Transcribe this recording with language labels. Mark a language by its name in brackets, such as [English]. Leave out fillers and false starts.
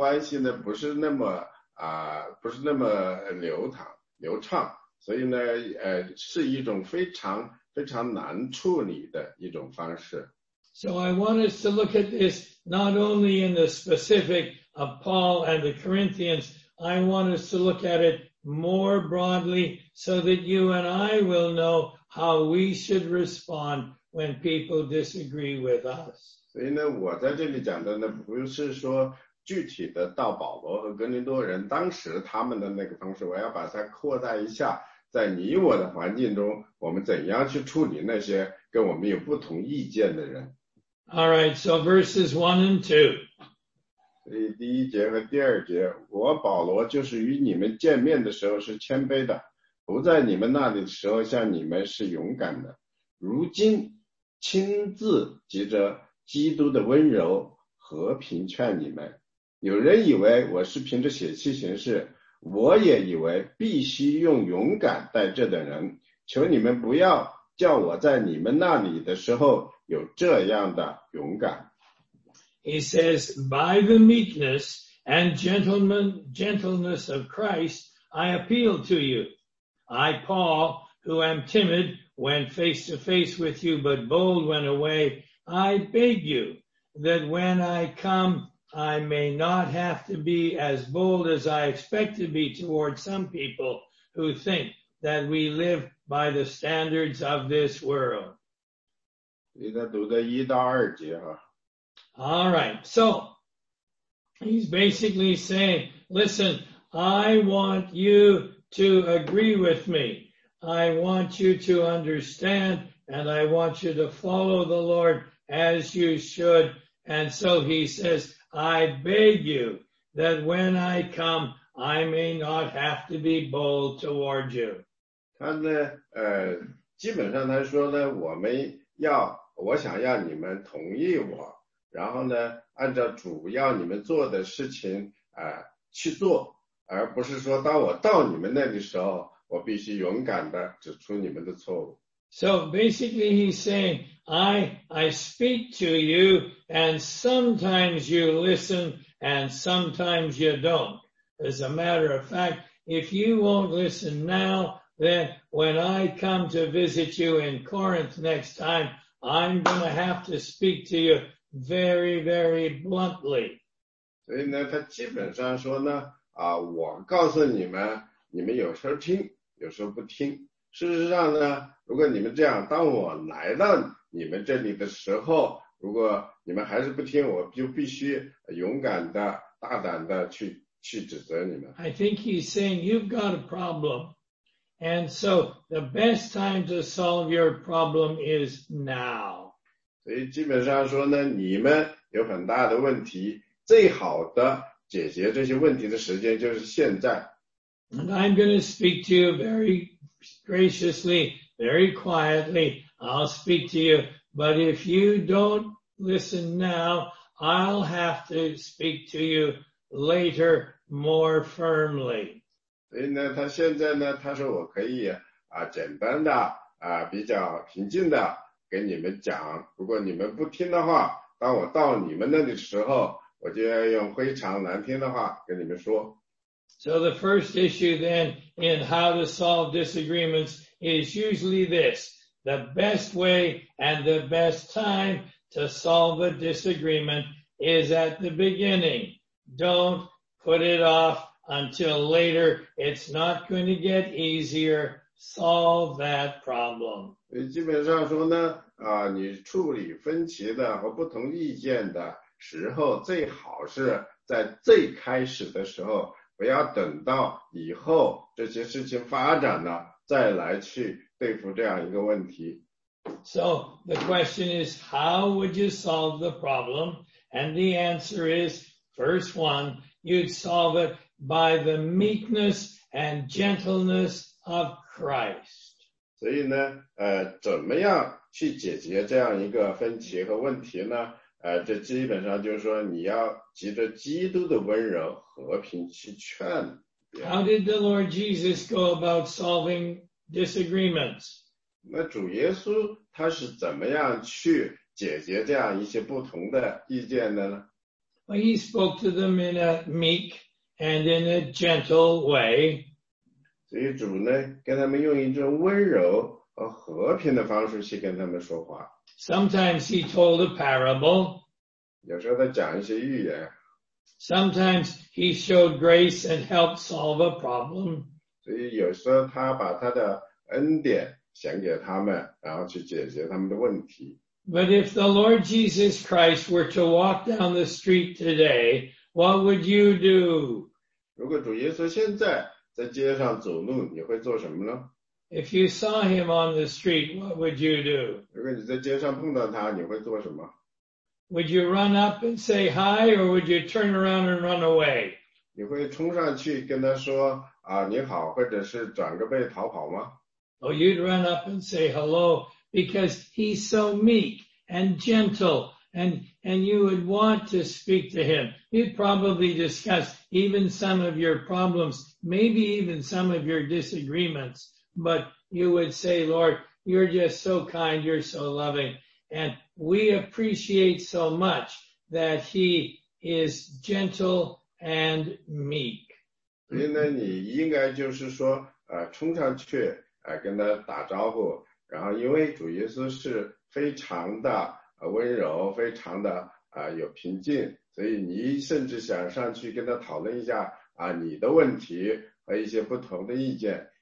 [Chinese] 所以呢，他们之间那种和睦的关系呢，不是那么 不是那么流畅，所以呢，是一种非常非常难处理的一种方式。 [English] So I want us to look at this not only in the specific of Paul and the Corinthians. I want us to look at it more broadly so that you and I will know how we should respond when people disagree with us. [Chinese] 所以呢，我在这里讲的呢，不是说 具体的到保罗和格林多人当时他们的那个方式，我要把它扩大一下，在你我的环境中，我们怎样去处理那些跟我们有不同意见的人。 [English] All right, so verses 1 and 2. [Chinese] 所以第一节和第二节，我保罗就是与你们见面的时候是谦卑的，不在你们那里的时候向你们是勇敢的，如今亲自藉着基督的温柔和平劝你们。有人以为我是凭着血气行事，我也以为必须用勇敢待这等人，求你们不要叫我在你们那里的时候有这样的勇敢。 [English] He says, by the meekness and gentleness of Christ, I appeal to you. I, Paul, who am timid, went face to face with you, but bold went away. I beg you that when I come, I may not have to be as bold as I expect to be toward some people who think that we live by the standards of this world. [Chinese] 你在读的一到二节啊。 [English] All right, so he's basically saying, listen, I want you to agree with me. I want you to understand, and I want you to follow the Lord as you should. And so he says, I beg you that when I come, I may not have to be bold toward you. [Chinese] 他呢，基本上他说呢，我想要你们同意我。然后呢，按照主要你们做的事情去做，而不是说当我到你们那里的时候，我必须勇敢的指出你们的错误。 [English] So basically, he's saying, I speak to you, and sometimes you listen, and sometimes you don't. As a matter of fact, if you won't listen now, then when I come to visit you in Corinth next time, I'm gonna have to speak to you. Very, very bluntly. [Chinese] 所以呢，他基本上说呢，我告诉你们，你们有时候听，有时候不听。事实上呢，如果你们这样，当我来到你们这里的时候，如果你们还是不听，我就必须勇敢的、大胆的去指责你们。 [English] I think he's saying you've got a problem, and so the best time to solve your problem is now. [Chinese] 所以基本上说呢，你们有很大的问题，最好的解决这些问题的时间就是现在。 [English] And I'm going to speak to you very graciously, very quietly. I'll speak to you. But if you don't listen now, I'll have to speak to you later more firmly. [Chinese] 所以呢，他现在呢，他说我可以简单的比较平静的给你们讲，如果你们不听的话，当我到你们那里的时候，我就要用非常难听的话跟你们说。 [English] So the first issue then in how to solve disagreements is usually this. The best way and the best time to solve a disagreement is at the beginning. Don't put it off until later. It's not going to get easier. Solve that problem. [Chinese] 基本上说呢，你处理分歧的和不同意见的时候，最好是在最开始的时候，不要等到以后这些事情发展了，再来去对付这样一个问题。 [English] So, the question is, how would you solve the problem? And the answer is, first one, you'd solve it by the meekness and gentleness of Christ. [Chinese] 所以呢，怎么样去解决这样一个分歧和问题呢？这基本上就是说，你要藉着基督的温柔和平去劝。 [English] How did the Lord Jesus go about solving disagreements? [Chinese] 那主耶稣他是怎么样去解决这样一些不同的意见的呢？ [English] Well, he spoke to them in a meek and in a gentle way. [Chinese] 所以主呢，跟他们用一种温柔和和平的方式去跟他们说话。 [English] Sometimes he told a parable. [Chinese] 有时候他讲一些预言。 [English] Sometimes he showed grace and helped solve a problem. [Chinese] 所以有时候他把他的恩典显给他们，然后去解决他们的问题。 [English] But if the Lord Jesus Christ were to walk down the street today, what would you do? [Chinese] 如果主耶稣现在在街上走路，你会做什么呢？ [English] If you saw him on the street, what would you do? [Chinese] 如果你在街上碰到他，你会做什么？ [English] Would you run up and say hi, or would you turn around and run away? [Chinese] 你会冲上去跟他说啊你好，或者是转个背逃跑吗？ [English] Oh, you'd run up and say hello, because he's so meek and gentle, and you would want to speak to him. You'd probably discuss even some of your problems, maybe even some of your disagreements. But you would say, Lord, you're just so kind, you're so loving, and we appreciate so much that he is gentle and meek. [Chinese] 所以呢，你应该就是说，冲上去，跟他打招呼，然后因为主耶稣是非常的温柔，非常的有平静，所以你甚至想上去跟他讨论一下你的问题和一些不同的意见。